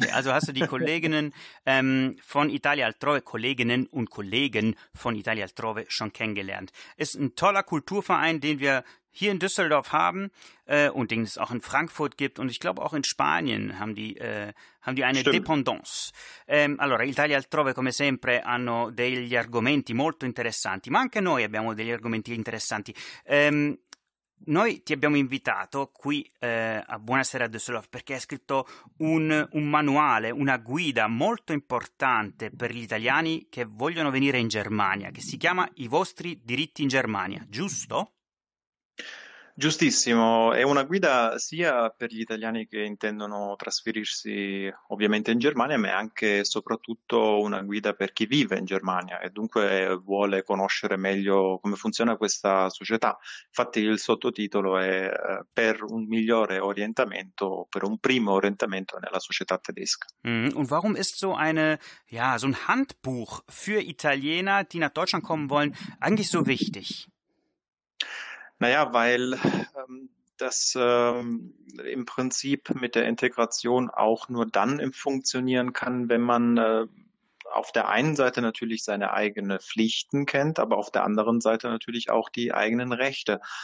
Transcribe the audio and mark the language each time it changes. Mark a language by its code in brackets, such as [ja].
[de] Also hast du die Kolleginnen von Italia Altrove, Kolleginnen und Kollegen von Italia Altrove schon kennengelernt. Ist ein toller Kulturverein, den wir hier in Düsseldorf haben und den es auch in Frankfurt gibt. Und ich glaube auch in Spanien haben die eine Dependance. [it] Allora, Italia Altrove, come sempre, hanno degli argomenti molto interessanti. Ma anche noi abbiamo degli argomenti interessanti. Noi ti abbiamo invitato qui a Buonasera Düsseldorf perché hai scritto un manuale, una guida molto importante per gli italiani che vogliono venire in Germania, che si chiama I vostri diritti in Germania, giusto? Giustissimo, è una guida sia per gli italiani che intendono trasferirsi ovviamente in Germania, ma è anche e soprattutto una guida per chi vive in Germania e dunque vuole conoscere meglio come funziona questa società. Infatti il sottotitolo è per un migliore orientamento, per un primo orientamento nella società tedesca. [de] Und warum ist so ein Handbuch für Italiener, die nach Deutschland kommen wollen, eigentlich so wichtig? Naja, weil das im Prinzip mit der Integration auch nur dann funktionieren kann, wenn man auf der einen Seite natürlich seine eigenen Pflichten kennt, aber auf der anderen Seite natürlich auch die eigenen Rechte.